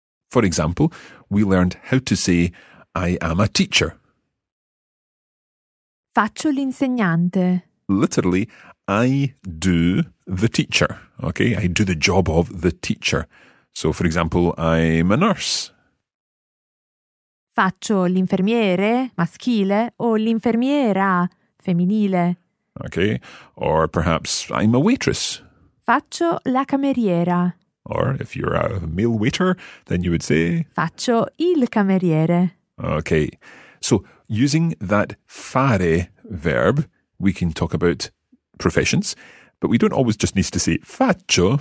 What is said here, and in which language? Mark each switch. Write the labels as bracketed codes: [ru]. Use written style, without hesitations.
[en] For example, we learned how to say, I am a teacher. [it] Faccio l'insegnante. [en] Literally, I do the teacher. Okay, I do the job of the teacher. So, for example, I'm a nurse. [it] Faccio l'infermiere maschile o l'infermiera femminile. [en] Okay, or perhaps I'm a waitress. [it] Faccio la cameriera. [en] Or if you're a male waiter, then you would say... [it] Faccio il cameriere. [en] Okay, so using that fare verb, we can talk about professions, but we don't always just need to say faccio.